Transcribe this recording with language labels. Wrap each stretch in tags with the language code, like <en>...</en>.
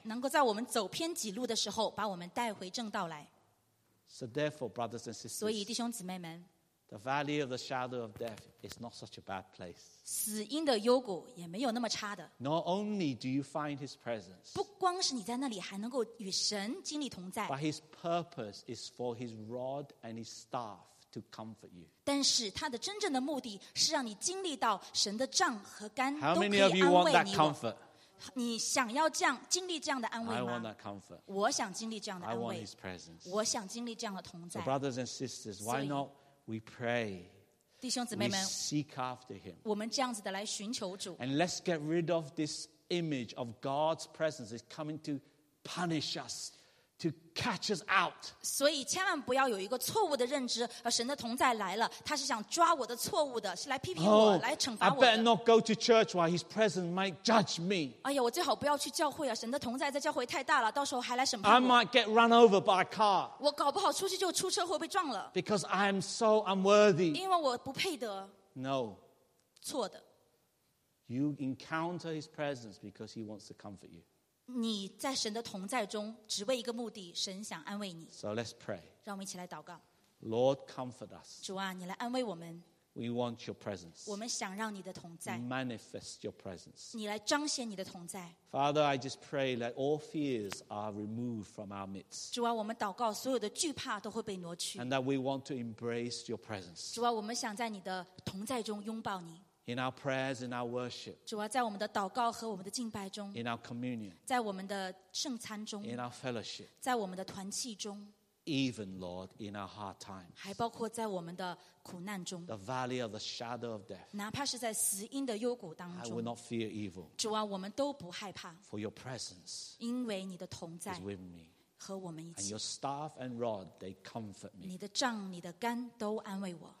<zh>能够在我们走偏几路的时候，把我们带回正道来。</zh> <en>So therefore, brothers and sisters.</en> <zh>所以弟兄姊妹们。</zh> <en>The valley of the shadow of death is not such a bad place.</en> <zh>死荫的幽谷也没有那么差的。</zh> <en>Not only do you find His presence,</en> <zh>不光是你在那里还能够与神经历同在。</zh> <en>But His purpose is for His rod and His staff to comfort you.</en> <zh>但是他的真正的目的是让你经历到神的杖和竿都可以安慰你。</zh> <en>How many of you want that comfort?</en> <zh>你想要这样经历这样的安慰吗？</zh> <en>I want that comfort.</en> <zh>我想经历这样的安慰。</zh> <en>I want His presence.</en> <zh>我想经历这样的同在。</zh> <en>So brothers and sisters, why not? We pray,</en> <zh>弟兄姊妹们,</zh> <en>we seek after him.</en> <zh>我们这样子的来寻求主。</zh> <en>And let's get rid of this image of God's presence is coming to punish us, to catch us out.</en> <zh>所以千万不要有一个错误的认知，而神的同在来了，他是想抓我的错误的，是来批评我，来惩罚我的。</zh> <en>I better not go to church while his presence might judge me.</en> <zh>哎呀，我最好不要去教会啊，神的同在在教会太大了，到时候还来审判我。</zh> <en>I might get run over by a car.</en> <zh>我搞不好出去就出车祸被撞了。</zh> <en>Because I'm so unworthy.</en> <zh>因为我不配得。</zh> <en>No.</en> <zh>错的。</zh> <en>You encounter his presence because he wants to comfort you.</en> <zh>你在神的同在中只为一个目的，神想安慰你。</zh> <en>So let's pray.</en> <zh>让我们一起来祷告。</zh> <en>Lord, comfort us.</en> <zh>主啊，你来安慰我们。</zh> <en>We want your presence.</en> <zh>我们想让你的同在。</zh> <en>Manifest your presence.</en> <zh>你来彰显你的同在。</zh> <en>Father, I just pray that all fears are removed from our midst.</en> <zh>主啊，我们祷告所有的惧怕都会被挪去。</zh> <en>And that we want to embrace your presence.</en> <zh>主啊，我们想在你的同在中拥抱你。</zh> <en>In our prayers, in our worship.</en> <zh>主啊，在我们的祷告和我们的敬拜中。</zh> <en>In our communion.</en> <zh>在我们的圣餐中。</zh> <en>In our fellowship.</en> <zh>在我们的团契中。</zh> <en>Even, Lord, in our hard times.</en> <zh>还包括在我们的苦难中。</zh> <en>The valley of the shadow of death.</en> <zh>哪怕是在死荫的幽谷当中。</zh> <en>I will not fear evil.</en> <zh>主啊，我们都不害怕。</zh> <en>For your presence.</en> <zh>因为你的同在。</zh> <en>Is with me.</en> <zh>和我们一起。</zh> <en>And your staff and rod, they comfort me.</en> <zh>你的杖、你的竿都安慰我。</zh>